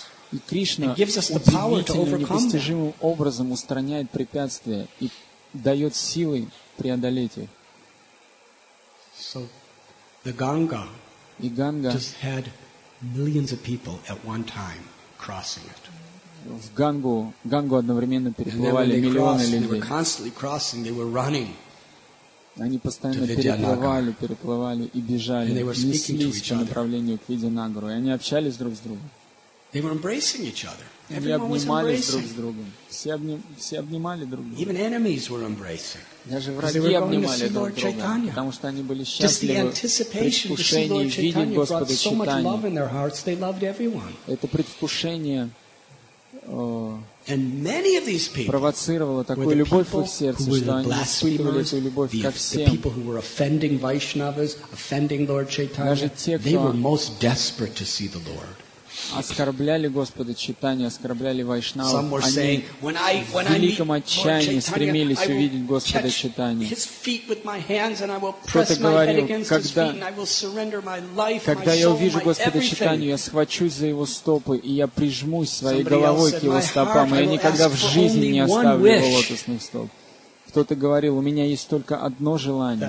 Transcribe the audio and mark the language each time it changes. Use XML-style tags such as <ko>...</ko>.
<ru>И Кришна удивительно, непостижимым образом устраняет препятствия и дает силы преодолеть их.</ru> <en>So, the Ganga</en> <ru>и Ганга</ru> <en>just had millions of people at one time crossing it.</en> <ru>В Гангу, одновременно переплывали миллионы людей. Они постоянно переплывали, и бежали, неслись по направлению к Видьянагару. И они общались друг с другом. Они обнимались друг с другом. Все обнимали друг друга. Даже враги обнимали друг друга, потому что они были счастливы предвкушении видеть Господа Чайтанью. Это предвкушение</ru> <en>and many of these people</en> <ru>провоцировало такую любовь в их сердце, что они испытывали эту любовь ко всем.</ru> <en>The people who were offending Vaishnavas, offending Lord Chaitanya, they were most desperate to see the Lord.</en> <ru>Оскорбляли Господа Чайтанью, оскорбляли Вайшнавов.</ru> <en>Some were saying, when I meet Lord Chaitanya, I will touch his feet with my hands and I will press my head against his feet and I will surrender my life, my soul, my everything.</en> <ru>Когда я увижу Господа Чайтанью, я схвачусь за его стопы и я прижмусь своей головой к его стопам, и я никогда в жизни не оставлю его лотосных стоп. Кто-то говорил, у меня есть только одно желание.</ru>